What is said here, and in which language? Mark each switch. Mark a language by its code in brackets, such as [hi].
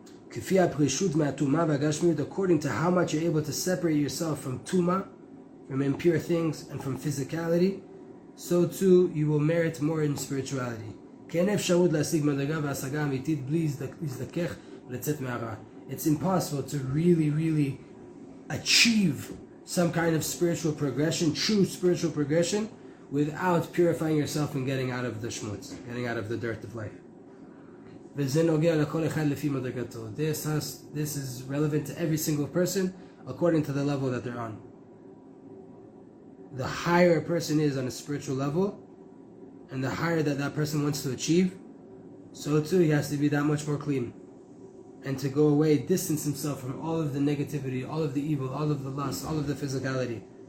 [he] כפי הפרישות מהתומה והגשמיות, [en] according to how much you're able to separate yourself from tuma, from impure things, and from physicality, so too you will merit more in spirituality. [he] כן אפשרות להשיג מדרגה והשגה אמיתית בלי להזדכך לצאת מהרע. [en] It's impossible to really, really achieve some kind of spiritual progression, true spiritual progression, without purifying yourself and getting out of the shmutz, getting out of the dirt of life. [he] וזה נוגע לכל אחד לפי מדרגתו. [en] This is relevant to every single person according to the level that they're on. The higher a person is on a spiritual level, and the higher that person wants to achieve, so too he has to be that much more clean. And to go away, distance himself from all of the negativity, all of the evil, all of the lust, all of the physicality.